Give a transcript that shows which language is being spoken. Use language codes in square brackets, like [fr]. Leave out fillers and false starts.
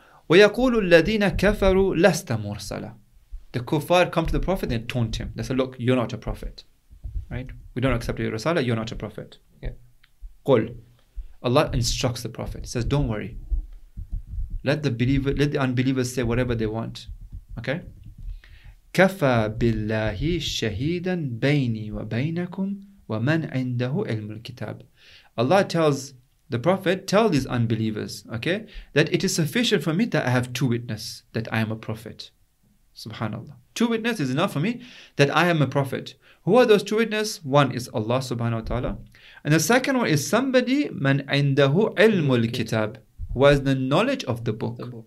[ar] وَيَقُولُ الَّذِينَ كَفَرُوا لَسْتَ مُرْسَلًا. [en] The kuffar come to the Prophet and taunt him. They say, look, you're not a prophet. Right? We don't accept your Rasala, you're not a prophet. [ar] قُلْ. [en] Allah instructs the Prophet. He says, don't worry. Let the unbelievers say whatever they want. Okay? [ar] كَفَى بِاللَّهِ شَهِيدًا بَيْنِي وَبَيْنَكُمْ وَمَنْ عِنْدَهُ عِلْمُ الْكِتَابِ. [en] Allah tells the Prophet tell these unbelievers, okay, that it is sufficient for me that I have two witness that I am a prophet. Subhanallah. Two witness is enough for me that I am a prophet. Who are those two witness? One is Allah subhanahu wa ta'ala. And the second one is somebody, [ar] man indahu ilmul kitab, [en] who has the knowledge of the book.